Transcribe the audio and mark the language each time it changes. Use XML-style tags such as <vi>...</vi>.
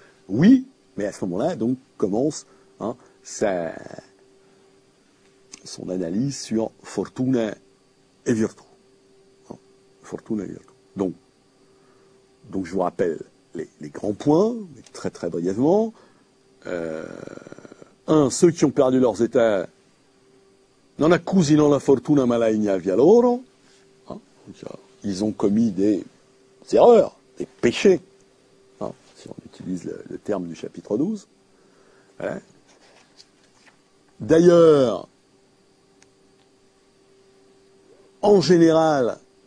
<fr>Oui, mais à ce moment-là, donc, commence hein, son analyse sur fortuna et virtù. Hein, fortuna et virtù. Donc, je vous rappelle les grands points, mais très très brièvement. Un, ceux qui ont perdu leurs états.</fr> <it>Non accusino la fortuna malaigna via loro.</it> <fr>Ils ont commis des erreurs, des péchés, hein, si on utilise le terme du chapitre 12. Voilà. D'ailleurs, en général,</fr>